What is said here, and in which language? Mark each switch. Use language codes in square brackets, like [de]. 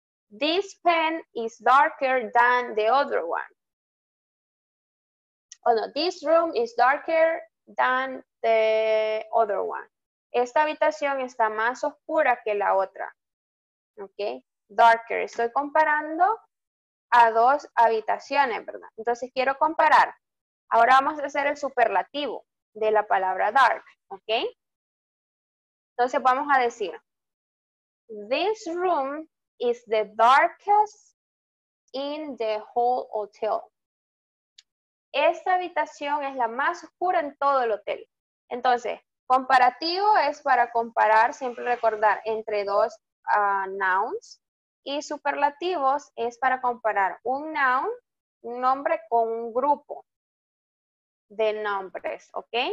[en] This pen is darker than the other one. Oh no, this room is darker than the other one. [es] Esta habitación está más oscura que la otra. Ok. Darker. Estoy comparando a dos habitaciones, ¿verdad? Entonces quiero comparar. Ahora vamos a hacer el superlativo de la palabra dark, ¿ok? Entonces vamos a decir, [en] this room is the darkest in the whole hotel. [es] Esta habitación es la más oscura en todo el hotel. Entonces, comparativo es para comparar, siempre recordar, entre dos nouns. Y superlativos es para comparar un noun, un nombre con un grupo de nombres, ¿ok?